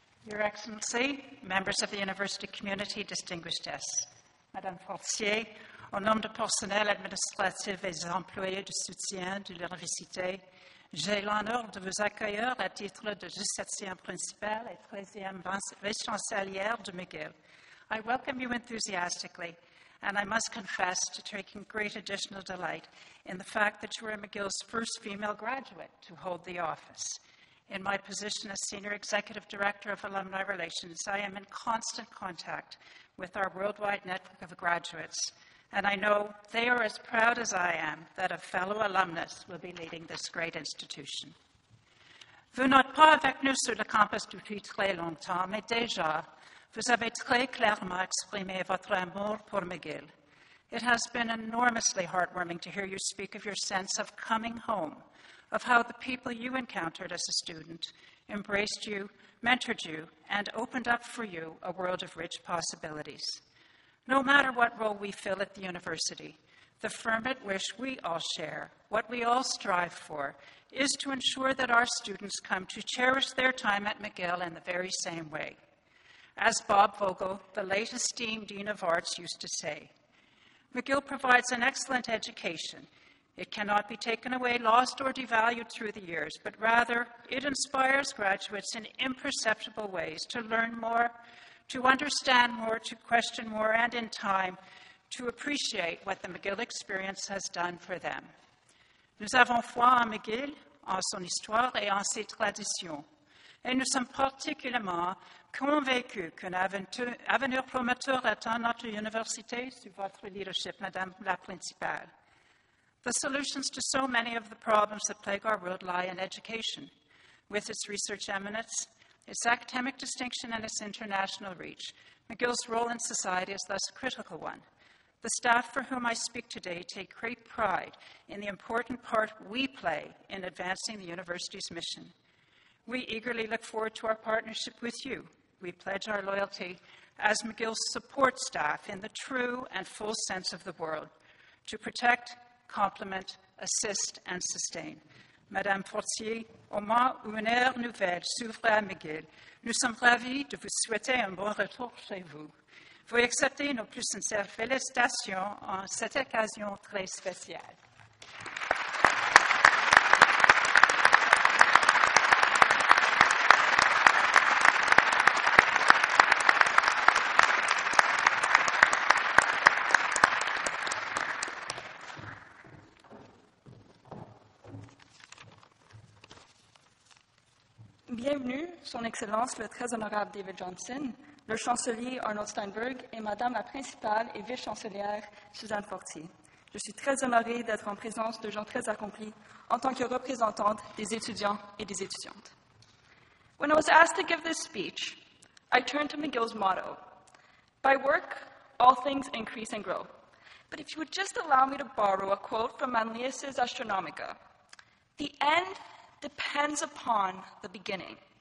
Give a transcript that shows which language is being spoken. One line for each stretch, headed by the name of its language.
English: Excellency, members of the university community, distinguished guests,
French: Madame Fortier, au nom du personnel administratif et des employés de soutien de l'université, j'ai l'honneur de vous accueillir à titre de 17e principale et 13e vice-chancelière de McGill.
English: I welcome you enthusiastically, and I must confess to taking great additional delight in the fact that you are McGill's first female graduate to hold the office. In my position as Senior Executive Director of Alumni Relations, I am in constant contact with our worldwide network of graduates, and I know they are as proud as I am that a fellow alumnus will be leading this great institution.
French: Vous n'êtes pas avec nous sur le campus depuis très longtemps, mais déjà, vous avez très clairement exprimé votre amour pour McGill.
English: It has been enormously heartwarming to hear you speak of your sense of coming home, of how the people you encountered as a student embraced you, mentored you, and opened up for you a world of rich possibilities. No matter what role we fill at the university, the fervent wish we all share, what we all strive for, is to ensure that our students come to cherish their time at McGill in the very same way. As Bob Vogel, the late esteemed Dean of Arts, used to say, McGill provides an excellent education. It cannot be taken away, lost, or devalued through the years, but rather it inspires graduates in imperceptible ways to learn more, to understand more, to question more, and in time, to appreciate what the McGill experience has done for them.
French: Nous avons foi en McGill, en son histoire et en ses traditions. Et nous sommes particulièrement convaincus qu'un avenir prometteur attend notre université sous votre leadership, Madame la Principale.
English: The solutions to so many of the problems that plague our world lie in education, with its research eminence, its academic distinction, and its international reach. McGill's role in society is thus a critical one. The staff for whom I speak today take great pride in the important part we play in advancing the university's mission. We eagerly look forward to our partnership with you. We pledge our loyalty as McGill's support staff in the true and full sense of the word to protect, complement, assist, and sustain.
French: Madame Fortier, au moment où une ère nouvelle s'ouvre à McGill, nous sommes ravis de vous souhaiter un bon retour chez vous. Veuillez accepter nos plus sincères félicitations en cette occasion très spéciale. Son Excellence le très honorable David Johnson, le chancelier Arnold Steinberg et Madame la Principale et vice-chancelière Suzanne Fortier. Je suis très honorée d'être en présence de gens très accomplis en tant que représentante des étudiants et des étudiantes.
English: When I was asked to give this speech, I turned to McGill's motto, "By work, all things increase and grow." But if you would just allow me to borrow a quote from Manlius's Astronomica, "The end depends upon the beginning."